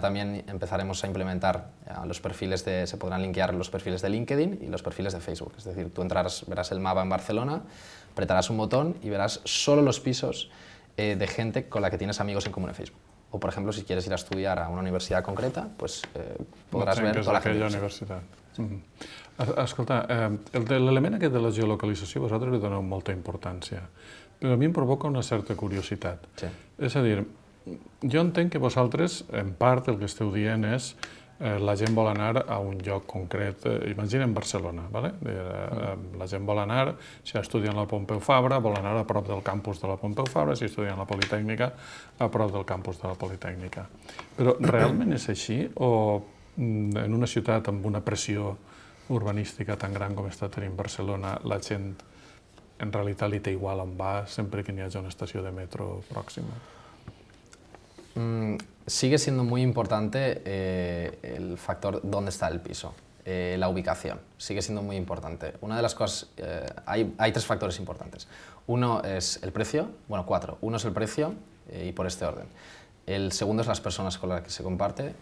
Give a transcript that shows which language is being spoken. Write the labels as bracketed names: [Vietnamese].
[Spanish] También empezaremos a implementar se podrán linkear los perfiles de LinkedIn y los perfiles de Facebook. Es decir, tú entrarás, verás el mapa en Barcelona, apretarás un botón y verás solo los pisos de gente con la que tienes amigos en común en Facebook. O, por ejemplo, si quieres ir a estudiar a una universidad concreta, pues [Catalan] podràs ver tota la gent. Universitat. Escolta, l'element aquest de la geolocalització, vosaltres li doneu molta importància, però a mi em provoca una certa curiositat. Sí. És a dir, jo entenc que vosaltres, en part, el que esteu dient és la gent vol anar a un lloc concret, imagina't Barcelona, ¿vale? La gent vol anar, si estudia en la Pompeu Fabra, vol anar a prop del campus de la Pompeu Fabra, si estudia en la Politécnica, a prop del campus de la Politécnica. Però realment és així? O en una ciutat amb una pressió urbanística tan gran com està tenint Barcelona, la gent en realitat li té igual on va, sempre que n'hi hagi una estació de metro pròxima? [Spanish] Sigue siendo muy importante el factor dónde está el piso, la ubicación, sigue siendo muy importante. Una de las cosas, hay tres factores importantes. Uno es el precio, bueno, cuatro. Uno es el precio y por este orden. El segundo es las personas con las que se comparte.